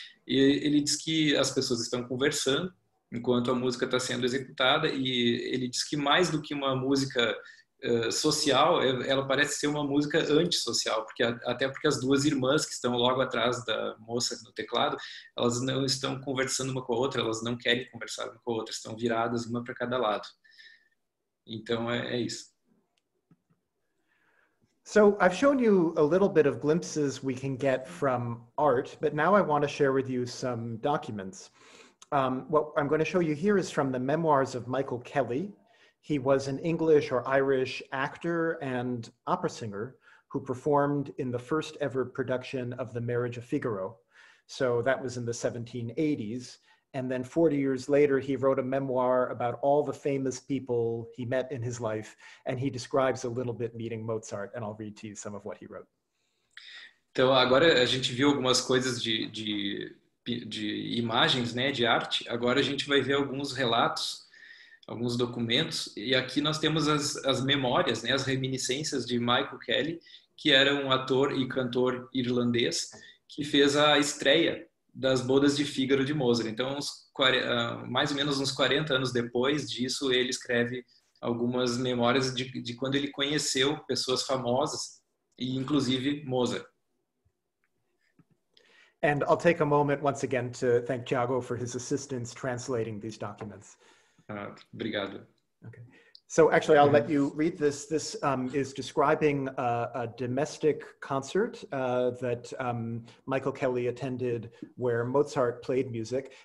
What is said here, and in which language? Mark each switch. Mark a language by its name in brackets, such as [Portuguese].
[Portuguese] E ele diz que as pessoas estão conversando enquanto a música está sendo executada, e ele diz que mais do que uma música social, ela parece ser uma música antissocial, porque até porque as duas irmãs que estão logo atrás da moça no teclado, elas não estão conversando uma com a outra, elas não querem conversar uma com a outra, estão viradas uma para cada lado. Então é isso. [English] So I've shown you a little bit of glimpses we can get from art, but now I want to share with you some documents. What I'm going to show you here is from the memoirs of Michael Kelly. He was an English or Irish actor and opera singer who performed in the first ever production of The Marriage of Figaro. So that was in the 1780s. And then 40 years later, he wrote a memoir about all the famous people he met in his life, and he describes a little bit meeting Mozart, and I'll read to you some of what he wrote. [Portuguese] Então, agora a gente viu algumas coisas de imagens, né, de arte. Agora a gente vai ver alguns relatos, alguns documentos. E aqui nós temos as memórias, né, as reminiscências de Michael Kelly, que era um ator e cantor irlandês que fez a estreia das Bodas de Fígaro de Mozart. Então, mais ou menos uns 40 anos depois disso, ele escreve algumas memórias de quando ele conheceu pessoas famosas, e inclusive Mozart. [English] And I'll take a moment once again to thank Tiago for his assistance translating these documents. [Portuguese] Obrigado. [English] Okay. So actually, I'll let you read this. This is describing a domestic concert that Michael Kelly attended where Mozart played music.